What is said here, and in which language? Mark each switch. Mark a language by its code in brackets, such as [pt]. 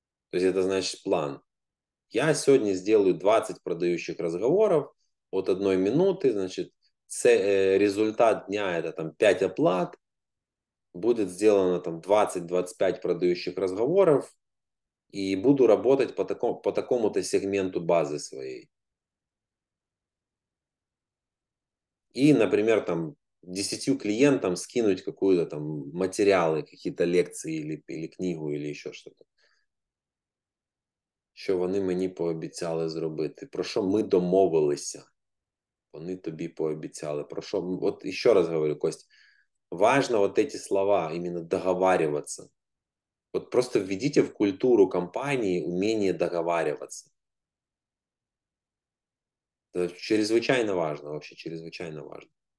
[ru] То есть это значит план. Я сегодня сделаю 20 продающих разговоров от одной минуты, значит, результат дня – это там 5 оплат, будет сделано там 20-25 продающих разговоров, и буду работать по такому-то сегменту базы своей. И, например, там 10 клиентам скинуть какую-то там материалы, какие-то лекции или книгу, или еще что-то. [uk] Що вони мені пообіцяли зробити? Про що ми домовилися? Вони тобі пообіцяли. Про що... [ru] От еще раз говорю, Кость, важно вот эти слова, именно договариваться. Вот просто введите в культуру компании умение договариваться. Это чрезвычайно важно, вообще чрезвычайно важно.